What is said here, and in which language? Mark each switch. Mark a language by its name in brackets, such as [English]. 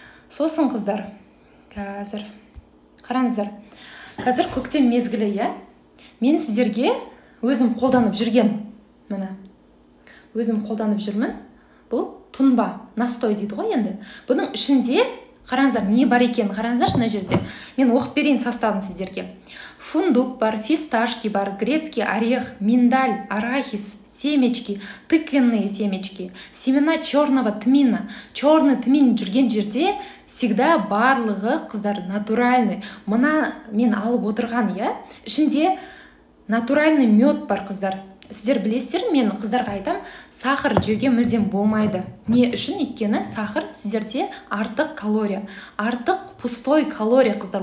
[Kazakh] Сосын қыздар, қазір, қараңыздар, қазір көктем мезгілі, иә? Мен сіздерге өзім қолданып жүрген, міне, өзім қолданып жүрмін, бұл тұнба, настой дейді ғой енді. Бұның ішінде, қараңыздар, не бар екен, қараңыздар, шына жерде, мен оқып берейін составын сіздерге. [Russian] Фундук бар, фисташки бар, грецкий орех, миндаль, арахис, семечки, тыквенные семечки, семена черного тмина. [Kazakh] Черный тмин жүрген жерде всегда барлығы, қыздар, натуральны. Мына мен алып отырған, иә, ішінде натуральный мед бар, қыздар. Сіздер білесіздер, мен қыздарға айтам, сахар жеуге мүлдем болмайды. Не үшін? Өйткені сахар сіздерде артық калория. Артық пустой калория, қыздар.